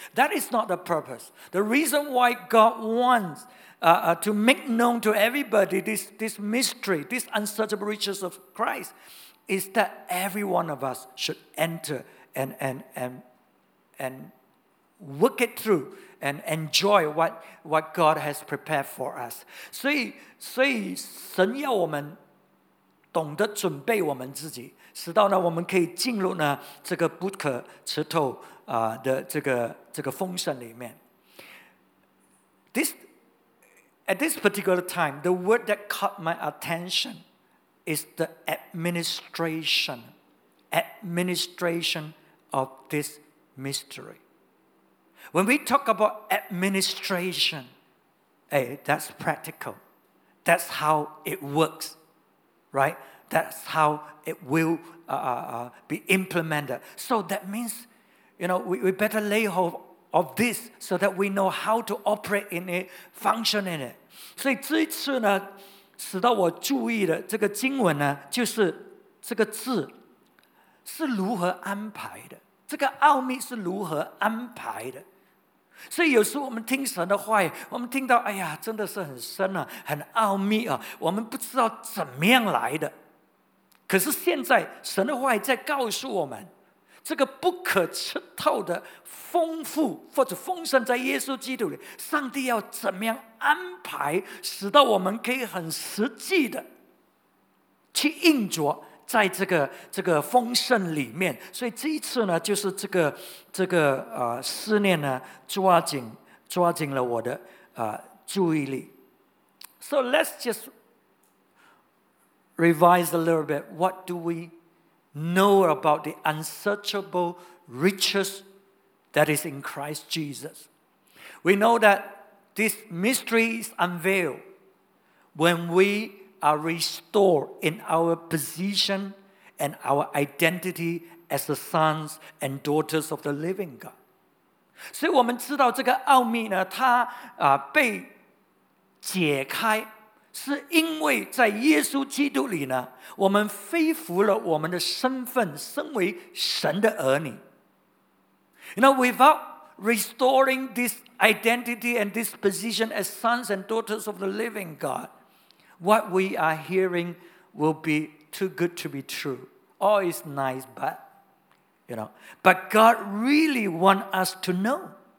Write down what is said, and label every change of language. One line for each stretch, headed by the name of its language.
English: That is not the purpose. The reason why God wants to make known to everybody this mystery, this unsearchable riches of Christ, is that every one of us should enter and work it through and enjoy what God has prepared for us.
Chinese: 所以神要我们懂得准备我们自己，使到呢我们可以进入呢这个不可吃透的这个丰盛里面。
English: At this particular time, the word that caught my attention is the administration of this mystery. When we talk about administration, that's practical. That's how it works, right? That's how it will be implemented. So that means, you know, we better lay hold of this so that we know how to operate in it, function in it.
Chinese: 所以这一次呢，使到我注意的这个经文呢，就是这个字是如何安排的，这个奥秘是如何安排的。所以有时候我们听神的话语，我们听到，哎呀，真的是很深啊，很奥秘啊，我们不知道怎么样来的。可是现在神的话语在告诉我们，这个不可吃透的丰富或者丰盛在耶稣基督里，上帝要怎么样安排，使到我们可以很实际的去运作在这个丰盛里面。所以这一次呢，就是这个思念呢，抓紧了我的注意力。
English: So let's just revise a little bit. What do we know about the unsearchable riches that is in Christ Jesus? We know that this mystery is unveiled when we are restored in our position and our identity as the sons and daughters of the living God.
Chinese: 所以我们知道这个奥秘呢，它被解开是因为在耶稣基督里呢，我们恢复了我们的身份，身为神的儿女。
English: You know, without restoring this identity and this position as sons and daughters of the living God, what we are hearing will be too good to be true. Oh, it's nice, but, you know. But God really wants us to know.